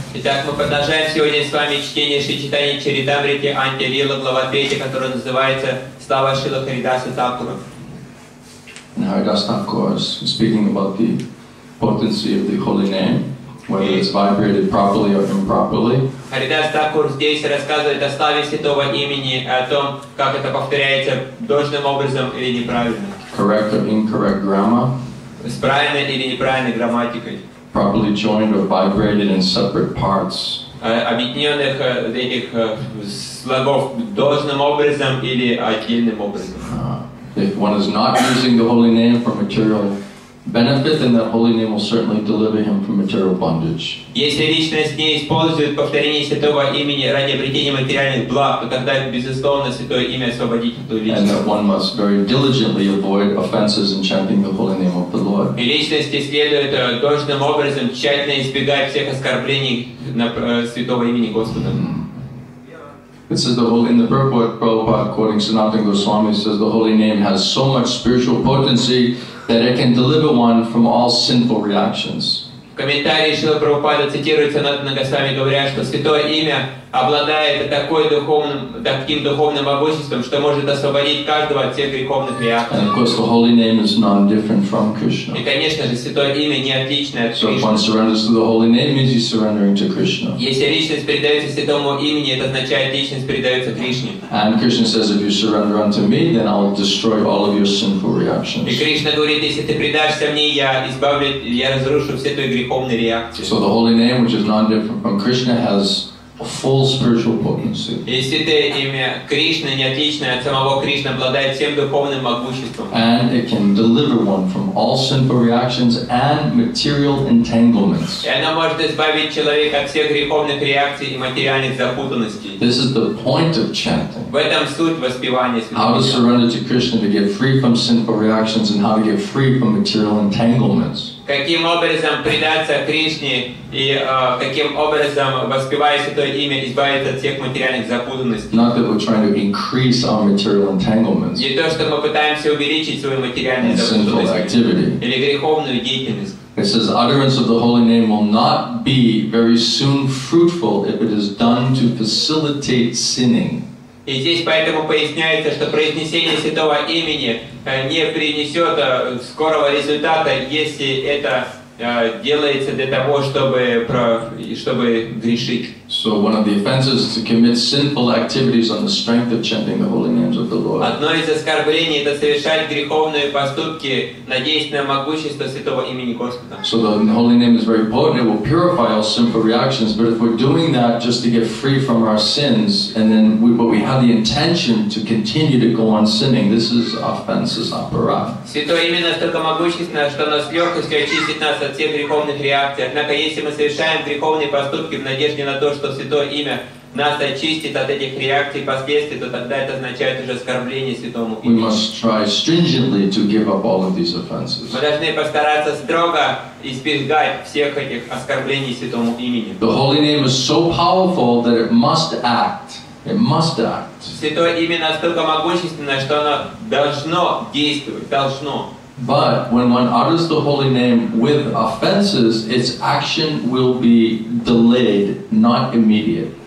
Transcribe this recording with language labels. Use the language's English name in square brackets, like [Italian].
[Russian] Итак, мы продолжаем сегодня с вами чтение Шри Чайтаня-чаритамрите Антья, lila, глава 3, которая называется «Слава Шрилы Харидаса Такура». [English] And Haridas Thakur is speaking about the potency of the holy name, whether it's vibrated properly or improperly. [Russian] Харидас Такур здесь рассказывает о славе святого имени, о том, как это повторяется должным образом или неправильно. [English] Correct or incorrect grammar. [Russian] С правильной или неправильной грамматикой. [English] Properly joined or vibrated in separate parts. [Russian] Объединенных этих слогов должным образом или отдельным образом. [English] If one is not using the holy name for material benefit, then that holy name will certainly deliver him from material bondage. [Russian] Если личность не использует повторение святого имени ради обретения материальных благ, то тогда безусловно святое имя освободит эту личность. [English] And that one must very diligently avoid offenses in chanting the holy name of the Lord. [Russian] И личности следует должным образом тщательно избегать всех оскорблений на святого имени Господа. [English] It says the holy in the Prabhupada quoting Sanatana Goswami says the holy name has so much spiritual potency that it can deliver one from all sinful reactions. [Russian] В комментарии Шрилы Прабхупады цитирует Санатана Госвами, говоря, что святое имя обладает таким духовным могуществом, что может освободить каждого от всех греховных реакций. [English] And of course the holy name is non-different from Krishna. [Russian] И, конечно же, святое имя не отличное от Кришны. [English] So if one surrenders to the holy name, means he's surrendering to Krishna. [Russian] Если личность передается святому имени, это означает, личность передается Кришне. [English] And Krishna says, if you surrender unto me, then I'll destroy all of your sinful reactions. [Russian] И Кришна говорит, если ты предашься мне, я разрушу все твои греховные реакции. [English] So the holy name, which is non-different from Krishna, has a full spiritual potency. [Russian] Если ты имя Кришна не отличное от самого Кришны, обладает всем духовным могуществом. [English] And it can deliver one from all sinful reactions and material entanglements. [Russian] И оно может избавить человека от всех греховных реакций и материальных запутанностей. [English] This is the point of chanting. [Russian] В этом суть воспевания. [English] How to surrender to Krishna to get free from sinful reactions and how to get free from material entanglements. [Russian] Каким образом предаться Кришне и каким образом, воспевая Святое Имя, избавиться от всех материальных запутанностей. [English] Not that we're trying to increase our material entanglements. [Russian] Не то, что мы пытаемся увеличить свою материальную запутанность или греховную деятельность. [English] It says, utterance of the Holy Name will not be very soon fruitful if it is done to facilitate sinning. [Russian] И здесь поэтому поясняется, что произнесение Святого Имени не принесет скорого результата, если это делается для того, чтобы грешить. [English] So one of the offenses is to commit sinful activities on the strength of chanting the holy names of the Lord. [Russian] Одно из оскорблений — это совершать греховные поступки, надеясь на могущество Святого Имени Господа. [English] So the holy name is very potent, it will purify all sinful reactions, but if we're doing that just to get free from our sins, and then we have the intention to continue to go on sinning, this is offenses, aparath. [Russian] Святое Имя настолько могущественно, что оно с легкостью очистит нас от всех греховных реакций. Однако, если мы совершаем греховные поступки в надежде на то, что Святое Имя нас очистит от этих реакций и последствий, то тогда это означает уже оскорбление Святому Имени. [English] We must try stringently to give up all of these offenses. [Russian] Мы должны постараться строго избегать всех этих оскорблений Святому Имени. [English] The Holy Name is so powerful that it must act. It must act. [Russian] Святое Имя настолько могущественно, что оно должно действовать, должно. [English] But when one utters the holy name with offenses, its action will be delayed, not immediate.